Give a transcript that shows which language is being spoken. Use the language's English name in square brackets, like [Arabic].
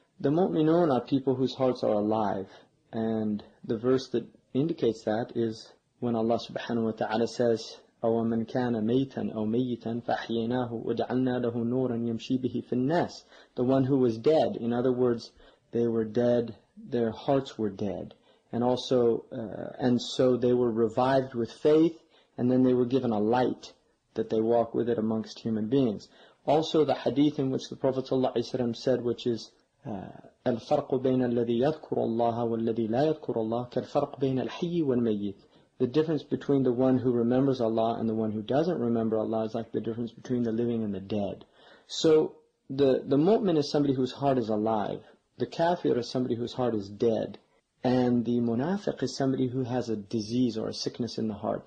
[English] The mu'minun are people whose hearts are alive, and the verse that indicates that is when Allah subhanahu wa ta'ala says, [Arabic] أَوَمَنْ كَانَ مَيْتًا أَوْ مَيْتًا فَحْيَيْنَاهُ وَجَعَلْنَا لَهُ نُورًا يَمْشِي بِهِ فِي النَّاسِ. [English] The one who was dead. In other words, they were dead, their hearts were dead. And also, and so they were revived with faith, and then they were given a light that they walk with it amongst human beings. Also the hadith in which the Prophet ﷺ said, which is, [Arabic] الْفَرْقُ بَيْنَ الَّذِي يَذْكُرُ اللَّهَ وَالَّذِي لَا يَذْكُرُ اللَّهَ كَالْفَرْقُ بَيْنَ الْحِيِّ وَالْمَيِّتِ. [English] The difference between the one who remembers Allah and the one who doesn't remember Allah is like the difference between the living and the dead. So the mu'min is somebody whose heart is alive. The kafir is somebody whose heart is dead. And the munafiq is somebody who has a disease or a sickness in the heart.